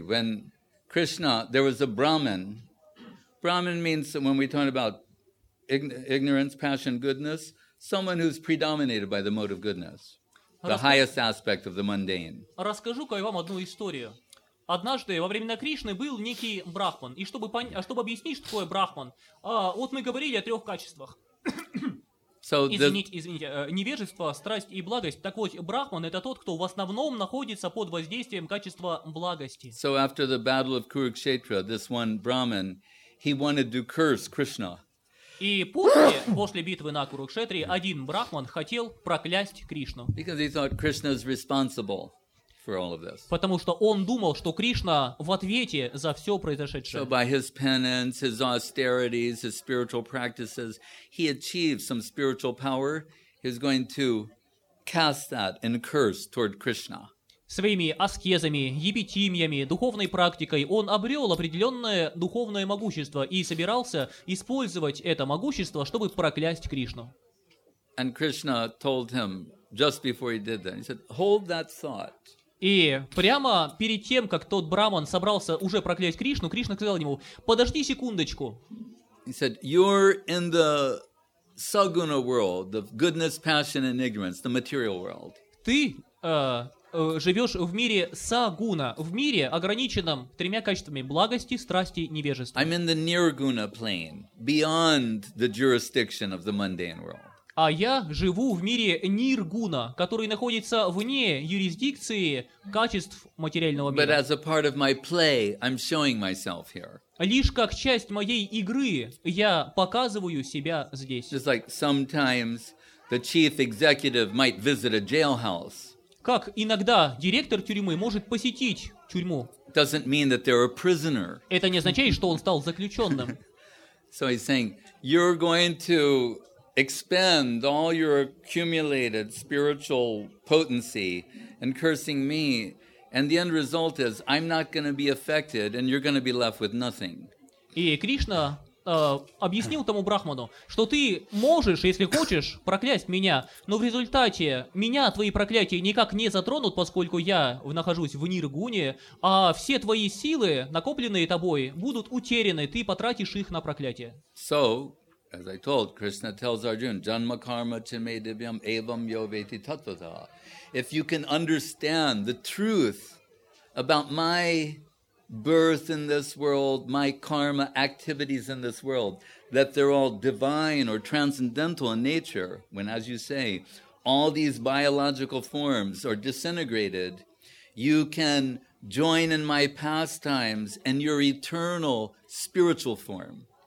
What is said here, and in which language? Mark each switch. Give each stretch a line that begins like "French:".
English: When Krishna, there was a Brahmin. Brahmin means, when we talk about ignorance, passion, goodness, someone who's predominated by the mode of goodness, the highest aspect of the mundane.
Russian: Расскажу-ка я вам одну историю. Однажды во времена Кришны был некий Брахман. И чтобы объяснить, что такое Брахман, вот мы говорили о трех качествах.
English: So
Russian: извините, невежество, страсть и благость. Так вот, Брахман — это тот, кто в основном находится под воздействием качества благости.
English: So after the battle of Kurukshetra, this one Brahmin, he wanted to curse Krishna.
Russian: И после битвы на Курукшетре один Брахман хотел проклясть Кришну.
English: Because he thought Krishna is responsible for all of this.
Russian: Потому что он думал, что Кришна в ответе за все произошедшее.
English: So by his penance, his austerities, his spiritual practices, he achieved some spiritual power. He was going to cast that in curse toward Krishna.
Russian: своими аскезами, епитимьями, духовной практикой, он обрел определенное духовное могущество и собирался использовать это могущество, чтобы проклясть Кришну.
English: And Krishna told him just before he did that, he said, hold that thought.
Russian: И прямо перед тем, как тот браман собрался уже проклясть Кришну, Кришна сказал ему, подожди секундочку.
English: He said, you're in the saguna world, the goodness, passion and ignorance, the material world.
Russian: Ты живешь в мире сагуна, в мире, ограниченном тремя качествами благости, страсти, невежества.
English: I'm in the nirguna plane, beyond the jurisdiction of the mundane world.
Russian: А я живу в мире ниргуна, который находится вне юрисдикции качеств материального мира.
English: But as a part of my play, I'm showing myself here.
Russian: Лишь как часть моей игры я показываю себя здесь.
English: Just like sometimes the chief executive might visit a jailhouse.
Russian: Как иногда директор тюрьмы может посетить тюрьму.
English: Doesn't mean that they're a prisoner.
Russian: Это не означает, что он стал заключенным.
English: So he's saying, you're going to expend all your accumulated spiritual potency and cursing me, and the end result is I'm not going to be affected, and you're going to be left with nothing.
Russian: И Кришна объяснил тому брахману, что ты можешь, если хочешь, проклясть меня, но в результате меня твои проклятия никак не затронут, поскольку я нахожусь в ниргуне, а все твои силы, накопленные тобой, будут утеряны, ты потратишь их на проклятие.
English: So, as I told, Krishna tells Arjuna,
Sanskrit: janma karma chime divyam evam yoveti tattvata.
English: If you can understand the truth about my birth in this world, my karma activities in this world, that they're all divine or transcendental in nature, when, as you say, all these biological forms are disintegrated, you can join in my pastimes and your eternal spiritual form.